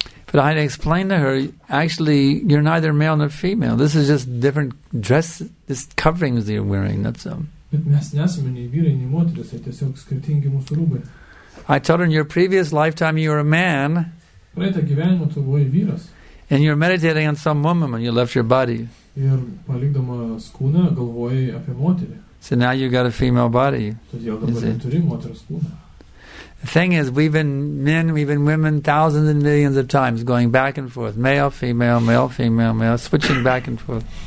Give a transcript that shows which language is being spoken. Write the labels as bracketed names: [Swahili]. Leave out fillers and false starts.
[English] But I explained to her, actually, you're neither male nor female. This is just different dress, this coverings you're wearing, that's all. [Lithuanian] Bet mes nesame nei vyrai, nei moteris, tai tiesiog skirtingi mūsų rūbai. [English] I told her, in your previous lifetime, you were a man. [Lithuanian] Praeitą gyvenimą tu buvai vyras. [English] And you're meditating on some woman when you left your body. [Lithuanian] Ir palikdamas kūną, galvojai apie moterį. [English] So now you got a female body. [Lithuanian] Todėl dabar turi moteris kūną. [English] The thing is, we've been men, we've been women thousands and millions of times going back and forth, male, female, male, switching back and forth.